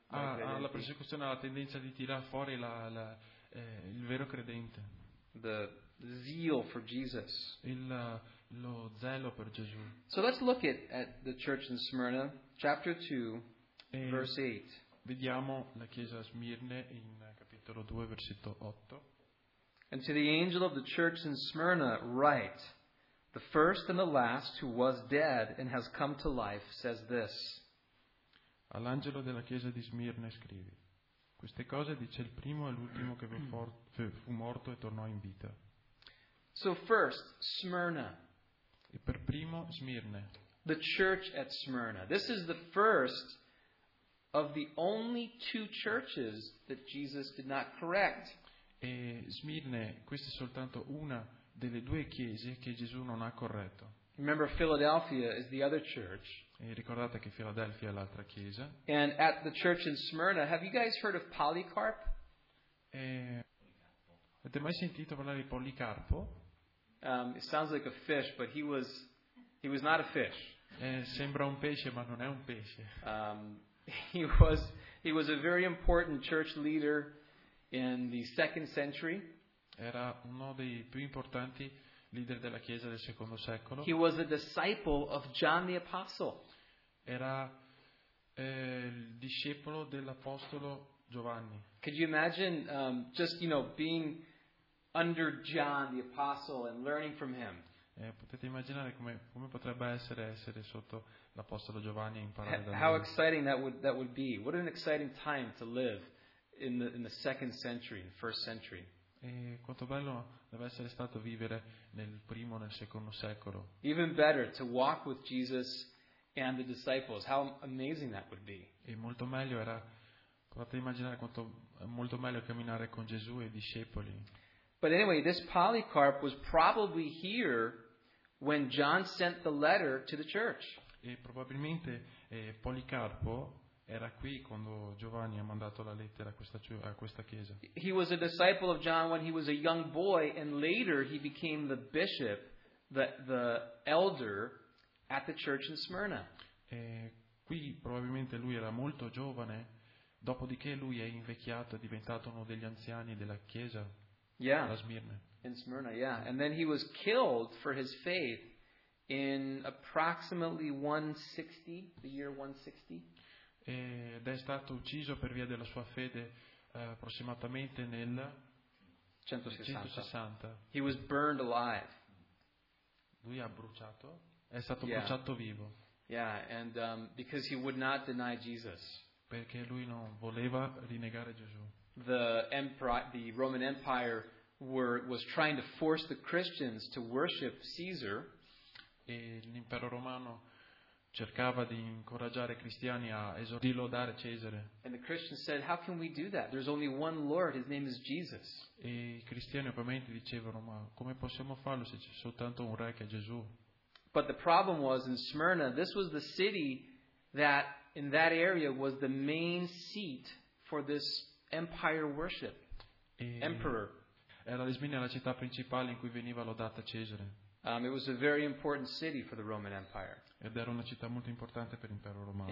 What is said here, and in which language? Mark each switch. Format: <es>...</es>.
<it>La persecuzione ha la tendenza di tirar fuori il vero credente.</it> <en>The zeal for Jesus.</en> <it>Lo zelo per Gesù.</it> <en>So let's look at the church in Smyrna, chapter 2, verse 8.</en> <it>Vediamo la chiesa a Smirne in capitolo 2, versetto 8.</it> <en>And to the angel of the church in Smyrna write, the first and the last who was dead and has come to life says this.</en> <it>All'angelo della chiesa di Smirne scrivi, queste cose dice il primo e l'ultimo che fu morto e tornò in vita.</it> <en>So first, Smyrna.</en> <it>E per primo, Smirne.</it> <en>The church at Smyrna. This is the first of the only two churches that Jesus did not correct.</en> <it>E Smirne, questa è soltanto una delle due chiese che Gesù non ha corretto.</it> <en>Remember, Philadelphia is the other church.</en> <it>E ricordate che Filadelfia è l'altra chiesa.</it> <en>And at the church in Smyrna, have you guys heard of Polycarp?</en> <it>Avete mai sentito parlare di Policarpo?</it> <en>It sounds like a fish, but he was not a fish.</en> <it>Sembra un pesce, ma non è un pesce.</it> <en>He was a very important church leader in the second century.</en> <it>Era uno dei più importanti leader della chiesa del secondo secolo.</it> <en>He was a disciple of John the Apostle.</en> <it>Era il discepolo dell'apostolo Giovanni.</it> <en>Could you imagine being under John the Apostle and learning from him?</en> <it>Potete immaginare come potrebbe essere sotto l'apostolo Giovanni e imparare da lui.</it> <en>How exciting that would be. What an exciting time to live in the second century, in the first century.</en> <it>E quanto bello deve essere stato vivere nel primo, nel secondo secolo.</it> <en>Even better to walk with Jesus and the disciples. How amazing that would be.</en> <it>E molto meglio era, potete immaginare quanto molto meglio camminare con Gesù e i discepoli.</it> <en>But anyway, this Polycarp was probably here when John sent the letter to the church.</en> <it>E probabilmente Policarpo era qui quando Giovanni ha mandato la lettera a questa chiesa.</it> <en>He was a disciple of John when he was a young boy, and later he became the bishop, the elder at the church in Smyrna.</en> <it>E qui probabilmente lui era molto giovane, dopodiché lui è invecchiato, è diventato uno degli anziani della chiesa.</it> <en>Yeah.</en> <it>La Smyrna.</it> <en>In Smyrna, yeah. And then he was killed for his faith in approximately 160, the year 160.</en> <it>Ed è stato ucciso per via della sua fede approssimatamente nel</it> <en>160. He was burned alive.</en> <it>Lui ha bruciato, è stato bruciato vivo.</it> <en>Yeah, and because he would not deny Jesus.</en> <it>Perché lui non voleva rinegare Gesù.</it> <en>The Roman Empire was trying to force the Christians to worship Caesar.</en> <it>E l'impero romano cercava di incoraggiare i cristiani a lodare Cesare.</it> <en>And the Christians said, "How can we do that? There's only one Lord. His name is Jesus."</en> <it>E i cristiani ovviamente dicevano, ma come possiamo farlo se c'è soltanto un re che è Gesù?</it> <en>But the problem was in Smyrna. This was the city that in that area was the main seat for this empire worship. Emperor.</en> <it>Era Smyrna la città principale in cui veniva lodata Cesare.</it> <en>It was a very important city for the Roman Empire.</en> <it>Ed era una città molto importante per l'impero romano.</it>